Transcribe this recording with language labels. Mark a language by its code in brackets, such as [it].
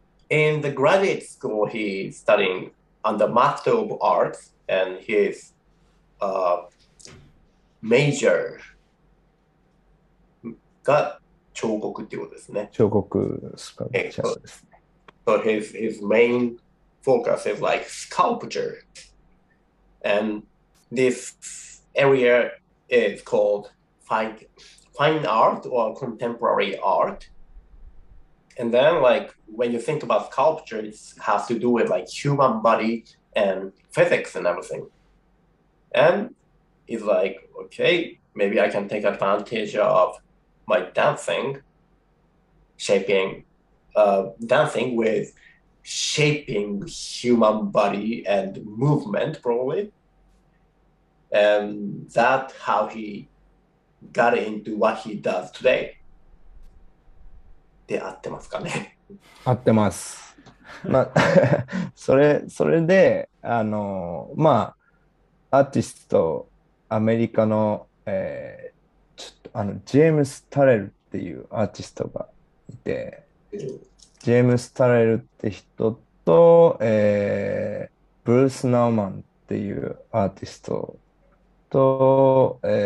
[en] In the graduate school, he's studying under Master of Arts, and his major [ja] が彫刻ってことですね。彫刻スカルプチャーですね。 [en] So his main focus is like sculpture. And this area is called fine art or contemporary art. And then like when you think about sculpture, it has to do with like human body and physics and everything. And he's like, okay, maybe I can take advantage of my dancing, shaping. Dancing with shaping human body and movement probably. And that's how he got into what he does today. [ja] で合ってますかね。合ってます。まあ、それで、まあ、アーティスト、アメリカの、ちょっと、ジェームス・タレルっていうアーティストがいて、ジェームス・タレルって人と、ブルース・ナウマンっていうアーティストと、